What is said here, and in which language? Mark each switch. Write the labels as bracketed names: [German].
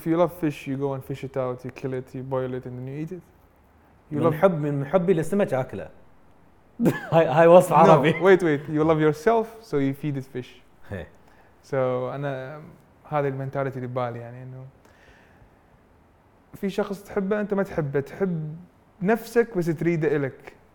[English] If you love fish you go and fish it out, you kill it, you boil it and then you eat it. You [Arabic] من [English] love [Arabic] حب من حبي للسمك اكله. هاي وصف عربي. [English] No, wait. You love yourself so you feed it fish. So [Arabic] انا هذه المنتاليتي اللي ببالي يعني انه في شخص تحبه انت ما تحبه تحب نفسك بس تريده لك.